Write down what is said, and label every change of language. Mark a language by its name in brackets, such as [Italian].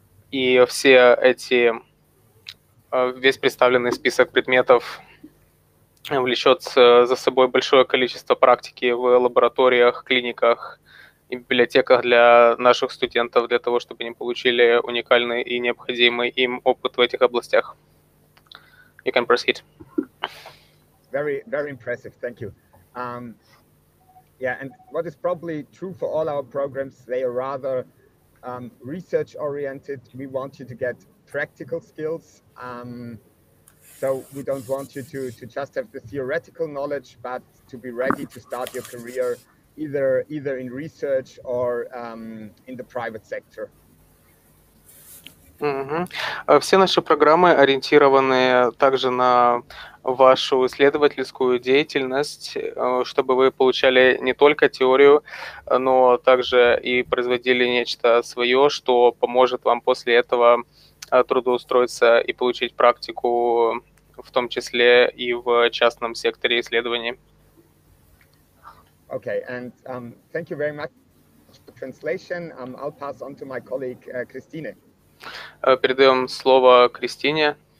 [Russian] И все эти, весь представленный список предметов влечет за собой большое количество практики в лабораториях, клиниках и библиотеках для наших студентов, для того, чтобы они получили уникальный и необходимый им опыт в этих областях. [English] You can proceed. Very, very impressive. Thank you. And what is probably true for all our programs, they are rather research oriented. We want you to get practical skills. So we don't want you to just have the theoretical knowledge, but to be ready to start your career either in research or in the private sector. [Russian] Все наши программы ориентированы также на вашу исследовательскую деятельность, чтобы вы получали не только теорию, но также и производили нечто свое, что поможет вам после этого трудоустроиться и получить практику, в том числе и в частном секторе исследований. [English] Okay, and thank you very much for translation. I'll pass on to my colleague Christine. [Russian] Передаем слово Кристине.